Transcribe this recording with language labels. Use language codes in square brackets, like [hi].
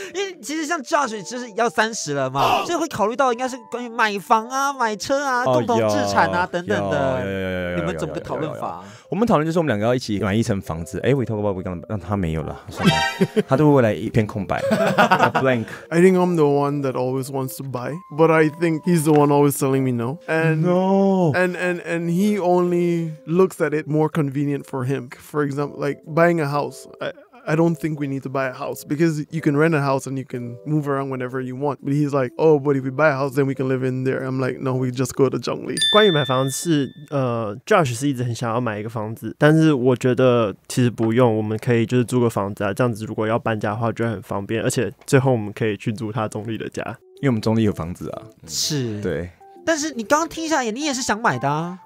[zh] 因为其实像 Josh 就是要三十了嘛，所以会考虑到应该是关于买房啊、买车啊、共同资产啊等等的。你们怎么个讨论法？我们讨论就是我们两个要一起买一层房子。哎，委托爸爸，我刚让他没有了，算了，他对未来一片空白，blank。 [en] I think I'm the one that always wants to buy, but I think he's the one always telling me no. And no. And he only looks at it more convenient for him. For example, like buying a house. I don't think we need to buy a house because you can rent a house and you can move around whenever you want. But he's like, oh, but if we buy a house, then we can live in there. I'm like, no, we just go to Zhongli. [zh] 关于买房是Josh 是一直很想要买一个房子，但是我觉得其实不用，我们可以就是租个房子啊，这样子如果要搬家的话就很方便，而且最后我们可以去租他中立的家，因为我们中立有房子啊。是，对。但是你刚刚听下来，你也是想买的啊。